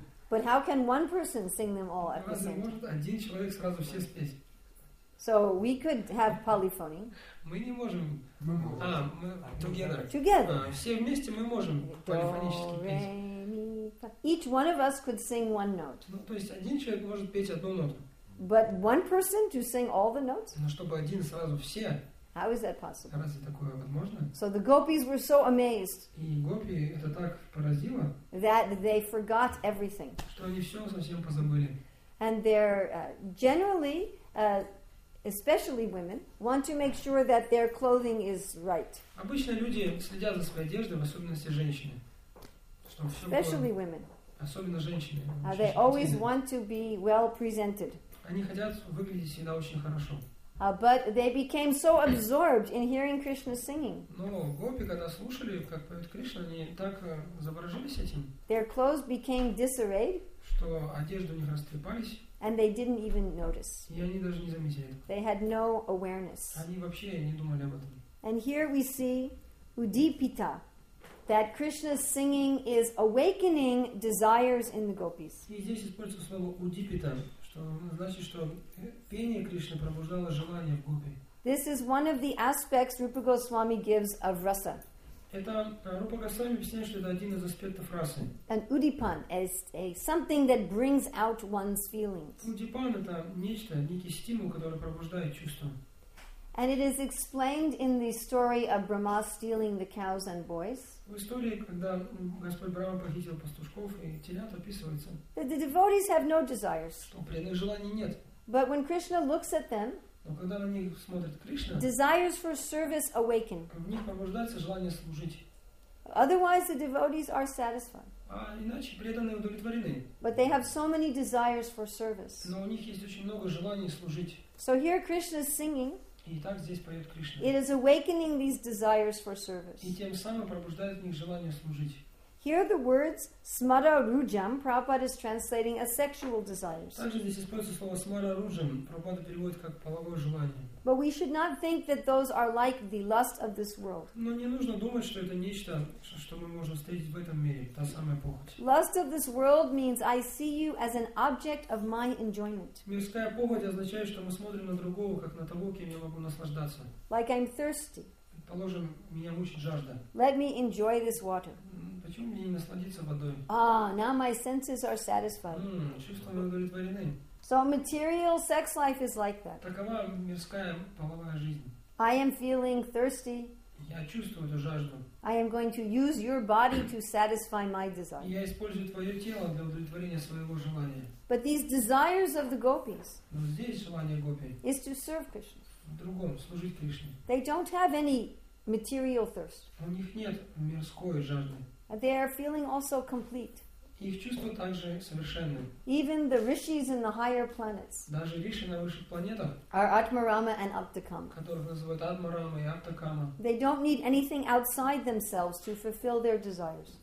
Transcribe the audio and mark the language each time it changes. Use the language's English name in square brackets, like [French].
[English] But how can one person sing them all at the same time? [Russian] Может один человек сразу все спеть? [English] So we could have polyphony. [Russian] Мы не можем. Мы [English] together. Together. [Russian] Все вместе мы можем полифонически петь. [English] Each one of us could sing one note. [Russian] Ну то есть один человек может петь одну ноту. [English] But one person to sing all the notes? [Russian] Но чтобы один сразу все. [English] How is that possible? [Russian] Разве такое возможно? [English] So the gopis were so amazed. [Russian] И гопи это так поразило. [English] That they forgot everything. [Russian] Что они все совсем позабыли. [English] And they're generally, especially women, want to make sure that their clothing is right. [Russian] Обычно люди следят за своей одеждой, в особенности женщины. [English] Especially women. [Russian] Особенно женщины. [English] They always want to be well presented. [Russian] Они хотят выглядеть всегда очень хорошо. [English] But they became so absorbed in hearing Krishna singing. [Russian] Но гопи, когда слушали, как поет Кришна, они так заворожились этим. [English] Their clothes became disarrayed. [Russian] Что одежда у них растрепались. [English] And they didn't even notice. [Russian] И они даже не заметили. [English] They had no awareness. [Russian] Они вообще не думали об этом. [English] And here we see Udipita, that Krishna's singing is awakening desires in the gopis. [Russian] И здесь используется слово Удипита. Значит, что пение Кришны пробуждало желание в гопи. [English] This is one of the aspects Rupa Goswami gives of rasa. [Russian] Это Рупа Госвами объясняет, что это один из аспектов расы. [English] An udipan is a something that brings out one's feelings. [Russian] Удипан это нечто, некий стимул, который пробуждает чувства. [English] And it is explained in the story of Brahma stealing the cows and boys. [Russian] В истории, когда Господь Брама похитил пастушков и телят, описывается. [English] That the devotees have no desires. [Russian] Что преданных желаний нет. [English] But when Krishna looks at them, [Russian] но когда на них смотрит Кришна, [English] desires for service awaken. [Russian] В них пробуждается желание служить. [English] Otherwise, the devotees are satisfied. [Russian] А иначе преданные удовлетворены. [English] But they have so many desires for service. [Russian] Но у них есть очень много желаний служить. [English] So here Krishna is singing. [Russian] И так здесь поет Кришна. [English] It is awakening these desires for service. [Russian] И тем самым пробуждает в них желание служить. [English] Here the words smara rujam, Prabhupada is translating as sexual desires. [Russian] Также здесь используется слово смара ружам, Прабхупада переводит как половое желание. [English] But we should not think that those are like the lust of this world. [Russian] Но не нужно думать, что это нечто, что мы можем встретить в этом мире, та самая похоть. [English] Lust of this world means I see you as an object of my enjoyment. [Russian] Мирская похоть означает, что мы смотрим на другого как на того, кем я могу наслаждаться. [English] Like I'm thirsty. [Russian] Предположим, меня мучит жажда. [English] Let me enjoy this water. [Russian] Почему мне не насладиться водой? [English] Ah, now my senses are satisfied. [Russian] Чувства удовлетворены. [English] So material sex life is like that. [Russian] Такова мирская половая жизнь. [English] I am feeling thirsty. [Russian] Я чувствую эту жажду. [English] I am going to use your body to satisfy my desire. [Russian] Я использую твое тело для удовлетворения своего желания. [English] But these desires of the gopis. [Russian] Но здесь желание гопи. [English] Is to serve Krishna. [Russian] В другом служить Кришне. [English] They don't have any material thirst. [Russian] У них нет мирской жажды. [English] They are feeling also complete. [Russian] Их чувства также совершенны. [English] Even the rishis in the higher planets. [Russian] Даже риши на высших планетах. [English] Are Atmarama and Aptakama. [Russian] Которых называют Атмарама и Аптакама. [English] They don't need anything outside themselves to fulfill their desires.